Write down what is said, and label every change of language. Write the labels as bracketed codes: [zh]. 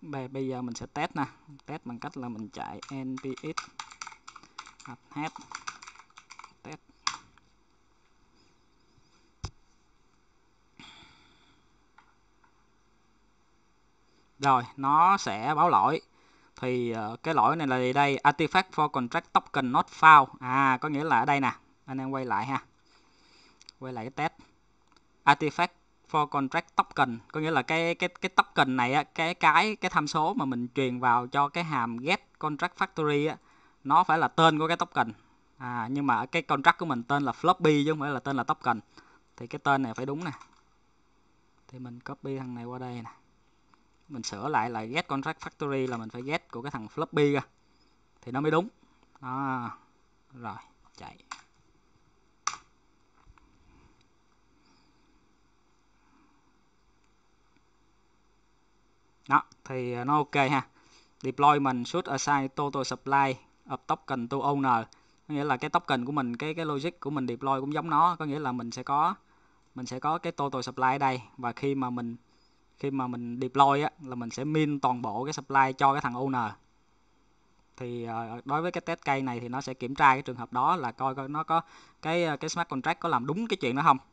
[vi] Bây giờ mình sẽ test nè, test bằng cách là mình chạy npx hack rồi nó sẽ báo lỗi. Thì cái lỗi này là gì đây? [en] Artifact for contract token not found. [vi] À có nghĩa là ở đây nè, anh em quay lại ha, quay lại cái test [en] artifact for contract token, [vi] có nghĩa là cái token này á, cái tham số mà mình truyền vào cho cái hàm get contract factory á, nó phải là tên của cái token. À nhưng mà cái contract của mình tên là floppy chứ không phải là tên là token, thì cái tên này phải đúng nè. Thì mình copy thằng này qua đây nè, mình sửa lại là get contract factory là mình phải get của cái thằng floppy ra thì nó mới đúng đó. Rồi chạy. Đó, thì nó ok ha. [en] Deployment should assign total supply of token to owner. [vi] Có nghĩa là cái token của mình, cái logic của mình deploy cũng giống nó, có nghĩa là mình sẽ có cái total supply ở đây và khi mà mình deploy á là mình sẽ min toàn bộ cái supply cho cái thằng owner. Thì đối với cái test case này thì nó sẽ kiểm tra cái trường hợp đó là coi coi nó có cái smart contract có làm đúng cái chuyện đó không.